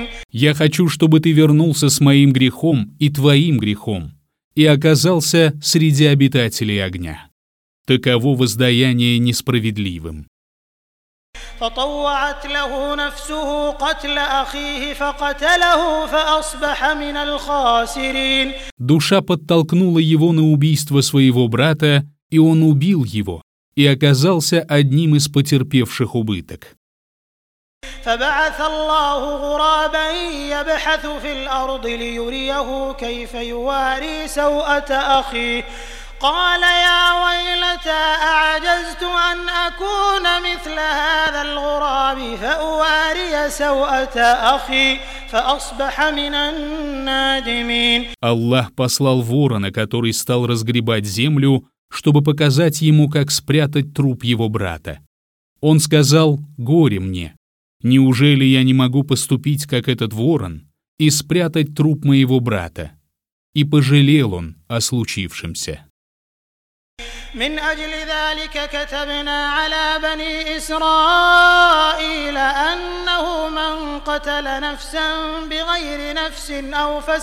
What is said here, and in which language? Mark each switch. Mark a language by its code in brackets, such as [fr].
[ru] Я хочу, чтобы ты вернулся с моим грехом и твоим грехом и оказался среди обитателей огня. Таково воздаяние несправедливым. [ar] فطوعت له نفسه قتل أخيه فقتله فأصبح من الخاسرين. [ru] Душа подтолкнула его на убийство своего брата, и он убил его и оказался одним из потерпевших убыток. [ar] فبعث الله غرابا يبحث في الأرض ليريه كيف يواري سوءة أخيه. قال يا ويلتى أعجزت أن أكون مثل هذا الغراب فأواري سوءة أخي فأصبح من النادمين. [ru] Аллах послал ворона, который стал разгребать землю, чтобы показать ему, как спрятать труп его брата. Он сказал: «Горе мне! Неужели я не могу поступить, как этот ворон, и спрятать труп моего брата?» И пожалел он о случившемся. [ar] من أجل ذلك كتبنا على بني إسرائيل أنه من قتل نفسا بغير نفس أو